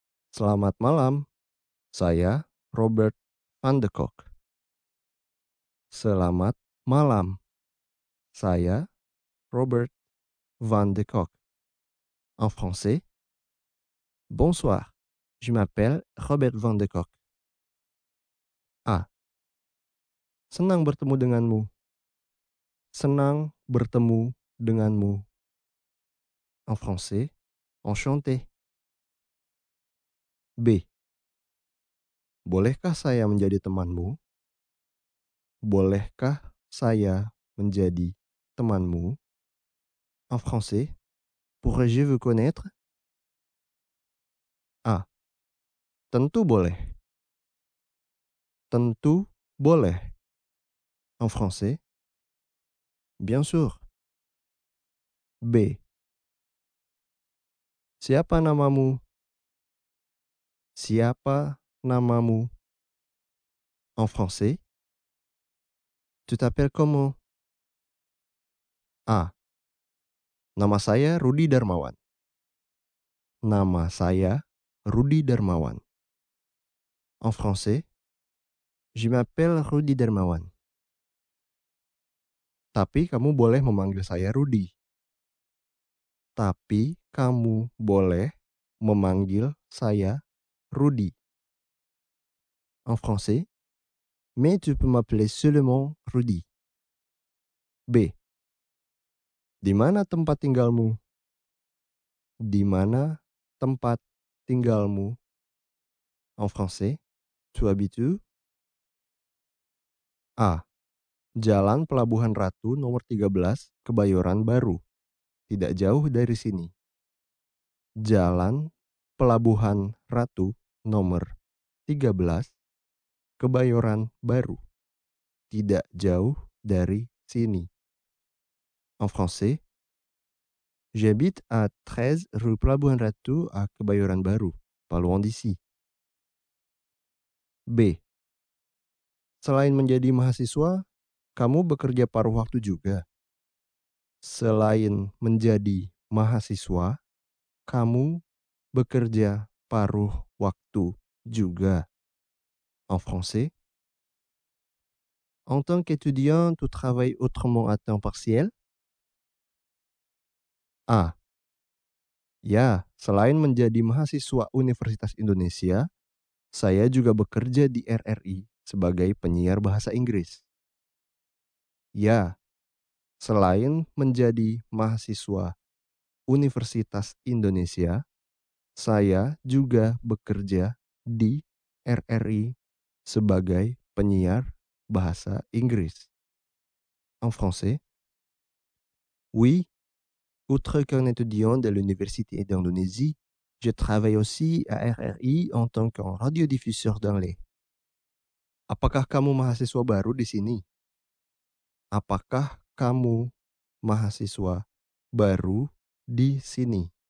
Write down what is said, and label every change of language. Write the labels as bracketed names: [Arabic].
[Indonesian] Selamat malam, saya Robert Van de Kok. Selamat malam, saya Robert Van de Kok. [French] En français, bonsoir, je m'appelle Robert Van de Kok. A. [Indonesian] Senang bertemu denganmu. Senang bertemu denganmu. [French] En français, enchanté. [Indonesian] B. Bolehkah saya menjadi temanmu? Bolehkah saya menjadi temanmu? [French] En français, pourrais-je vous connaître? [Indonesian] A. Tentu boleh. Tentu boleh. [French] En français, bien sûr. B. [Indonesian] Siapa namamu? Siapa namamu? [French] En français, tu t'appelles comment? A. [Indonesian] Nama saya Rudy Darmawan. Nama saya Rudy Darmawan. [French] En français, je m'appelle Rudy Darmawan. [Indonesian] Tapi kamu boleh memanggil saya Rudy. Tapi kamu boleh memanggil saya Rudy. [French] En français, mais tu peux m'appeler seulement Rudy. B. [Indonesian] Di mana tempat tinggalmu? Di mana tempat tinggalmu? [French] En français, tu habites où? [Indonesian] A. Jalan Pelabuhan Ratu nomor 13, Kebayoran Baru. Tidak jauh dari sini. Jalan Pelabuhan Ratu nomor 13, Kebayoran Baru. Tidak jauh dari sini. [French] En français, J'habite à 13 rue Pelabuhan Ratu à Kebayoran Baru, pas loin d'ici. B. [Indonesian] Selain menjadi mahasiswa, kamu bekerja paruh waktu juga. Selain menjadi mahasiswa, kamu bekerja paruh waktu juga. [French] En français. En tant qu'étudiant, tu travailles autrement à temps partiel? A. [Indonesian] Ya, selain menjadi mahasiswa Universitas Indonesia, saya juga bekerja di RRI sebagai penyiar bahasa Inggris. Ya, selain menjadi mahasiswa Universitas Indonesia, saya juga bekerja di RRI sebagai penyiar bahasa Inggris. [French] En français. Oui. Outre qu'un étudiant de l'Université d'Indonésie, je travaille aussi à RRI en tant qu'un radiodiffuseur d'anglais. [Indonesian] Apakah kamu mahasiswa baru di sini? Apakah kamu mahasiswa baru di sini?